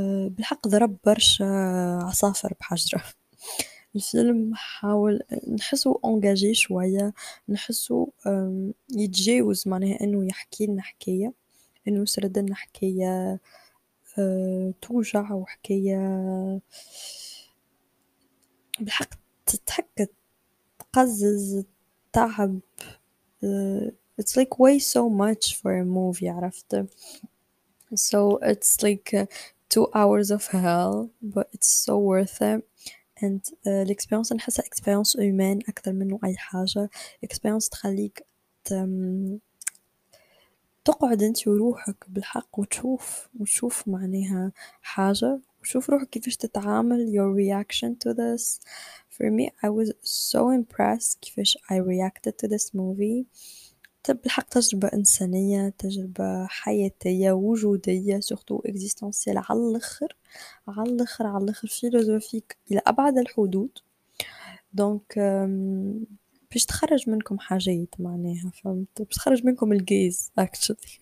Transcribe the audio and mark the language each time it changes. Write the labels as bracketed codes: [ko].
[ar] بالحق ضرب برشا عصافر بحجرة. الفيلم حاول نحسه انجاجي شوية، نحسه يتجاوز، معناها انه يحكي لنا حكاية، انه يسرد لنا حكاية توجع، وحكاية بالحق تتحك تقزز التعب. [en] It's like way so much for a movie, [ar] عرفت؟ [en] So it's like 2 hours of hell, but it's so worth it. [ar] And الاكسبيرينس نحسها اكسبيرينس هيومان اكثر منه اي حاجه. اكسبيرينس تخليك تقعد انت وروحك بالحق وتشوف معناها حاجه، وتشوف روحك كيفاش تتعامل. [en] Your reaction to this, for me I was so impressed [ar] كيفاش [en] I reacted to this movie. [ar] بالحق تجربة إنسانية، تجربة حياتية وجودية، سورتو إكزيستنسيال على الآخر على الآخر على الآخر، فيلوزوفيك إلى أبعد الحدود. دونك باش تخرج منكم حاجات، معناها فهمت، باش تخرج منكم الجيز أكشلي.